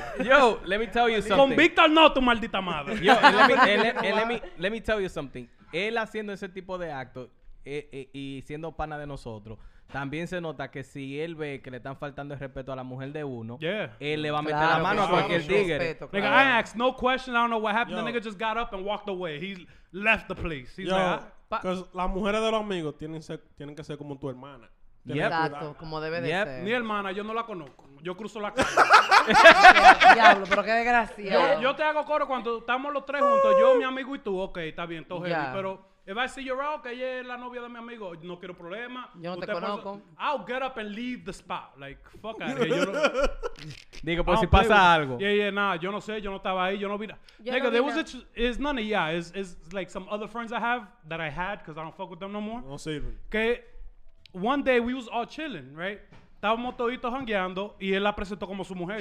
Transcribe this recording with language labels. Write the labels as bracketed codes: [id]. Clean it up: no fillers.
[en] yo, let me tell you something. [es] Con Víctor no, tu maldita madre. [en] Yo, let me tell you something. [es] Él haciendo ese tipo de acto y siendo pana de nosotros, también se nota que si él ve que le están faltando el respeto a la mujer de uno, [en] yeah. [es] Él le va a meter claro, la mano claro, a cualquier tigre. Respeto, claro. [en] Nigga, I asked no question. I don't know what happened. Yo. The nigga just got up and walked away. He left the place. He's yo. Like, Because [es] las mujeres de los amigos tienen que ser como tu hermana. [en] Yep. [es] Exacto, como debe de [en] yep. [es] ser. Mi hermana, yo no la conozco. Yo cruzo la calle. Diablo, pero qué desgracia. Yo te hago coro cuando estamos los tres juntos. Yo, mi amigo y tú. Ok, está bien, todo yeah. Heavy. Pero [en] if I see you out, [es] que ella es la novia de mi amigo, no quiero problema. Yo no te conozco. [en] I'll get up and leave the spot. Like, fuck out of here. [es] Digo, pues si pasa algo. [en] Yeah, nah, [es] yo no sé, yo no estaba ahí, yo no vi nada. [en] Nigga, there was a, it's none of, yeah, it's like some other friends I have that I had because I don't fuck with them no more. [es] No sirve. Que [en] one day we was all chilling, right? [es] Estábamos toditos jangueando y él la presentó como su mujer.